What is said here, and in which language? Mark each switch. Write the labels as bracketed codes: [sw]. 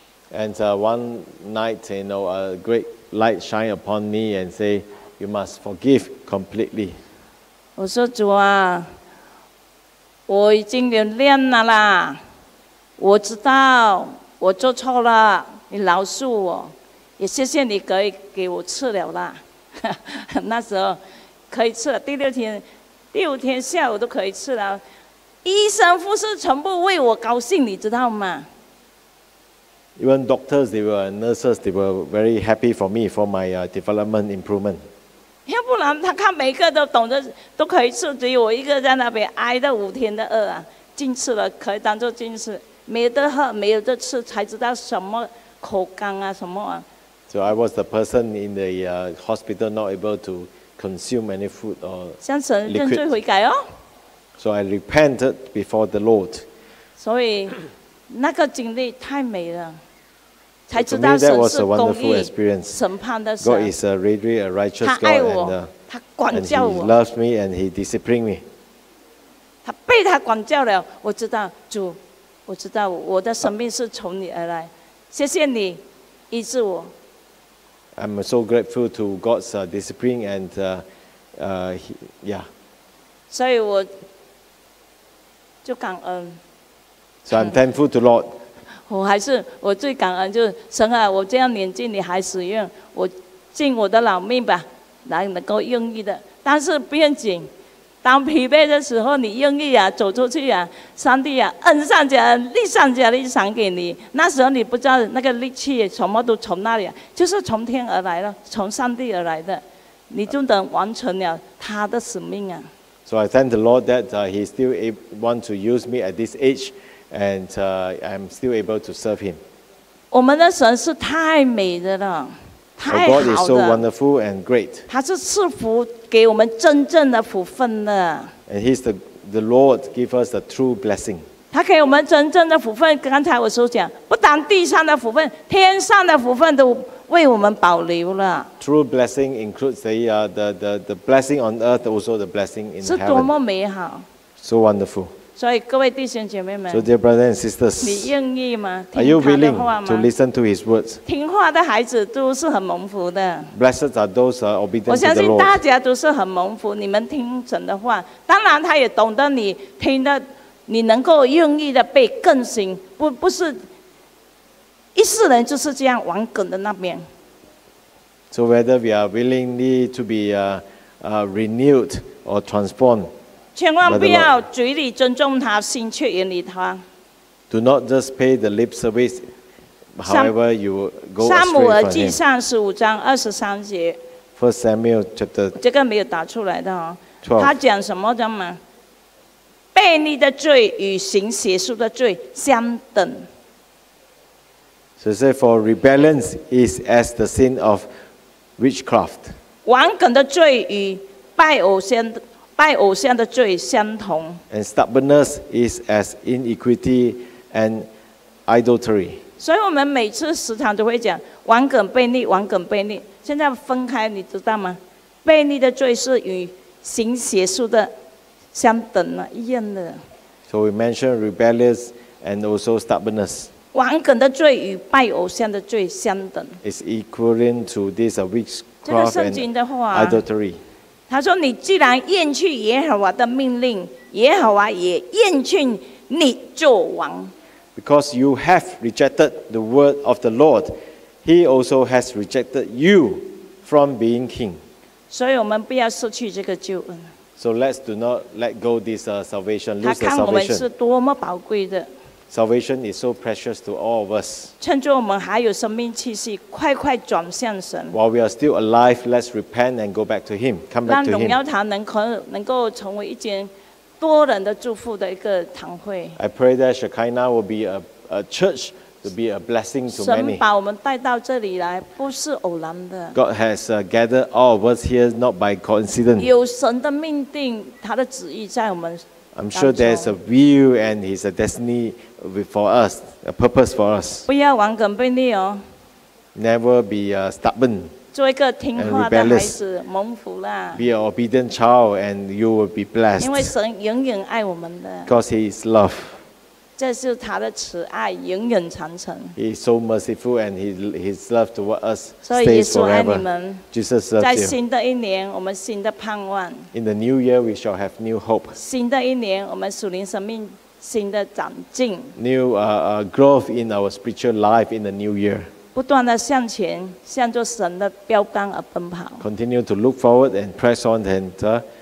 [en] And one night, you know, a great light shine upon me and say, "You must forgive completely." [zh] 我说主啊，我已经原谅了啦，我知道我做错了，你饶恕我，也谢谢你可以给我吃了啦。那时候可以吃了，第五天下午都可以吃了，医生护士全部为我高兴，你知道吗？ [en] Even doctors, they were nurses, they were very happy for me, for my development improvement. [zh] 要不然他看每个都懂得都可以吃，只有我一个在那边挨了五天的饿啊，禁吃了，可以当做禁吃，没得喝，没有得吃，才知道什么口干啊，什么啊。 [en] So I was the person in the hospital not able to consume any food or liquid. [zh] 向神认罪悔改哦。 [en] So I repented before the Lord. [zh] 所以。那个经历太美了，才知道神是公义、审判的神。 [en] God is a really a righteous God. [zh] 他爱我，他管教我。 [en] And He loves me and He disciplines me. [zh] 他被他管教了，我知道主，我知道我的生命是从你而来，谢谢你医治我。 [en] I'm so grateful to God's discipline and yeah. [zh] 所以我就感恩。 [en] So I'm thankful to Lord. [zh] 我最感恩就是神啊，我这样年纪你还使用我，尽我的老命吧，来能够愿意的。但是不要紧，当疲惫的时候，你愿意啊，走出去啊，上帝啊，恩上加恩，力上加力赏给你。那时候你不知道那个力气什么都从那里，就是从天而来了，从上帝而来的，你就能完成了他的使命啊。 [en] So I thank the Lord that He still want to use me at this age. And I'm still able to serve Him. [zh] 我们的神是太美的了，太好的。 [en] Our God is so wonderful and great. [zh] 他是赐福给我们真正的福分的。 [en] And He's the the Lord give us the true blessing. [zh] 他给我们真正的福分，刚才我所讲，不但地上的福分，天上的福分都为我们保留了。 [en] True blessing includes the blessing on earth, also the blessing in heaven. [zh] 是多么美好。 [en] So wonderful. [zh] 所以各位弟兄姐妹们。 [en] So dear brothers and sisters. [zh] 你愿意吗？ [en] Are you willing to listen to his words? [zh] 听话的孩子都是很蒙福的。 [en] Blessed are those who are obedient to the Lord. [zh] 我相信大家都是很蒙福，你们听神的话，当然他也懂得你听的。你能够愿意的被更新，不是一世人就是这样完梗的那边。 [en] So whether we are willingly to be renewed or transformed, [zh] 千万不要嘴里尊重他，心却远离他。 [en] Do not just pay the lip service, however you go astray from him. [zh] 撒母耳记上十五章二十三节。 [en] First Samuel chapter. [zh] 这个没有打出来的哦。 [en] 12. [zh] 他讲什么的吗？悖逆的罪与行邪术的罪相等。 [en] So say for rebellion is as the sin of witchcraft. [zh] 顽梗的罪与拜偶像的罪相同。 [en] And stubbornness is as iniquity and idolatry. [zh] 所以我们每次时常都会讲顽梗悖逆，顽梗悖逆。现在分开，你知道吗？悖逆的罪是与行邪术的。相等了，一样的。 [en] So we mentioned rebellious and also stubbornness. [zh] 顽梗的罪与拜偶像的罪相等。 [en] It's equivalent to this witchcraft and idolatry. [zh] 这个圣经的话， adultery. 他说：“你既然厌弃耶和华的命令，耶和华也厌弃你做王。” [en] Because you have rejected the word of the Lord, He also has rejected you from being king. [zh] 所以我们不要失去这个救恩。 [en] So let's do not let go this salvation, lose the salvation. [zh] 他看我们是多么宝贵的。 [en] Salvation is so precious to all of us. [zh] 趁着我们还有生命气息，快快转向神。 [en] While we are still alive, let's repent and go back to Him. Come back to Him. [zh] 让荣耀堂能够成为一间多人的祝福的一个堂会。 [en] I pray that Shekinah will be a church to be a blessing to many. [zh] 神把我们带到这里来不是偶然的。 [en] God has gathered all of us here not by coincidence. [zh] 有神的命定，他的旨意在我们。 [en] I'm sure there's a will and his destiny for us, a purpose for us. [zh] 不要顽梗悖逆哦。 [en] Never be stubborn. [zh] 做一个听话的孩子，蒙福啦。 [en] Be an obedient child and you will be blessed. [zh] 因为神永远爱我们的。 [en] Because he is love. [zh] 这是他的慈爱，永远长存。 [en] He is so merciful and his love toward us stays [zh] forever. 所以耶稣爱你们。 [en] Jesus loves you. [zh] 在新的一年，我们新的盼望。 [en] In the new year, we shall have new hope. [zh] 新的一年，我们属灵生命新的长进。 [en] New growth in our spiritual life in the new year. [zh] 不断的向前，向着神的标杆而奔跑。 [en] Continue to look forward and press on and